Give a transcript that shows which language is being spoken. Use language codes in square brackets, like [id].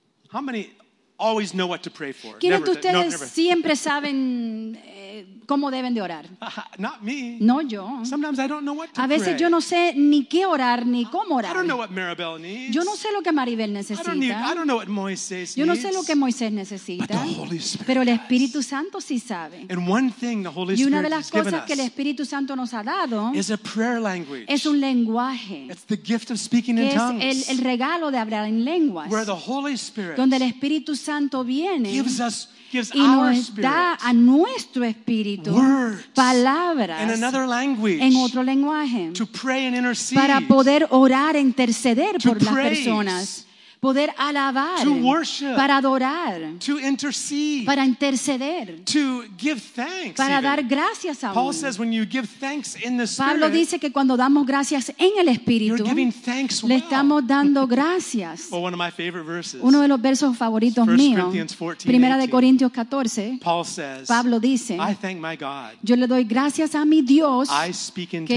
[en] How many always know what to pray for? [es] ¿Quiénes de ustedes siempre saben cómo deben de orar? [en] Not me. [es] No yo. [en] Sometimes I don't know what to [es] a veces [en] pray. [es] Yo no sé ni qué orar ni cómo orar. [en] I don't know what Maribel needs. [es] Yo no sé lo que Maribel necesita. [en] I don't know what Moses needs. [es] Yo no sé lo que Moisés necesita. [en] But the Holy Spirit [es] pero el Espíritu Santo sí sabe. [en] And one thing the Holy [es] y una de las [en] Spirit [es] cosas que el Espíritu Santo nos ha dado [en] is a prayer language. [es] Es un lenguaje. [en] It's the gift of speaking in [es] es [en] tongues. [es] El regalo de hablar en lenguas. [en] Where the Holy Spirit [es] donde el Espíritu Santo viene [en] gives us, gives [es] y nos [en] our spirit. [es] Da a nuestro Espíritu Espíritu, [en] words, [es] palabras, [en] in another language, [es] en otro lenguaje, [en] to pray and intercede, [es] para poder orar, interceder por las personas, poder alabar, [en] to worship, [es] para adorar, [en] to intercede, [es] para interceder, [en] to give thanks, [es] para [en] even [es] dar gracias a [en] Paul says when you give thanks in the Spirit, [es] Pablo dice que cuando damos gracias en el Espíritu, [en] you're giving thanks [es] le estamos dando gracias. [en] Well, one of my favorite verses, [es] uno de los versos favoritos míos, [en] 1 Corinthians 14:18, Paul says, [es] Pablo dice, [en] I thank my God, [es] yo le doy gracias a mi Dios, [en] I speak in [es] que